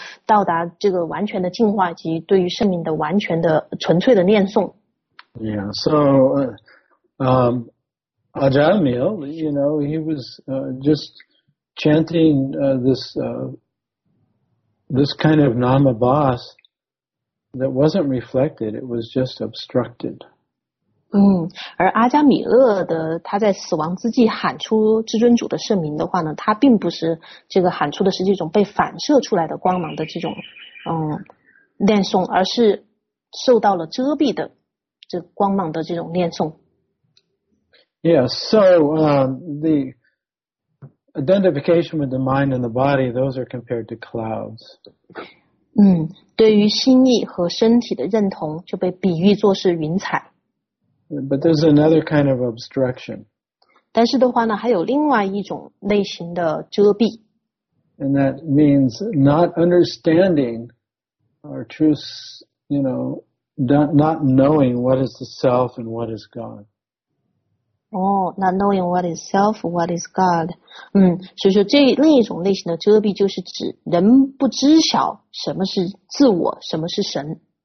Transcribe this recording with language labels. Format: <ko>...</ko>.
<zh>到达这个完全的净化及对于圣名的完全的纯粹的念诵。</zh> <en>Yeah, so Ajamil, you know, he was just chanting this kind of namabhas that wasn't reflected, it was just obstructed.</en> <zh>而阿加米勒的他在死亡之际喊出至尊主的圣名的话呢，他并不是这个喊出的是这种被反射出来的光芒的这种念诵，而是受到了遮蔽的这光芒的这种念诵。</zh> <en>Yeah, so the identification with the mind and the body, those are compared to clouds.</en> <zh>对于心意和身体的认同就被比喻作是云彩。</zh> <en>But there's another kind of obstruction.</en> <zh>但是的话呢，还有另外一种类型的遮蔽。</zh> <en>And that means not understanding our truth, you know, not knowing what is the self and what is God. Not knowing what is self, what is God.</en> <zh>所以说这另一种类型的遮蔽就是指人不知晓什么是自我，什么是神。</zh>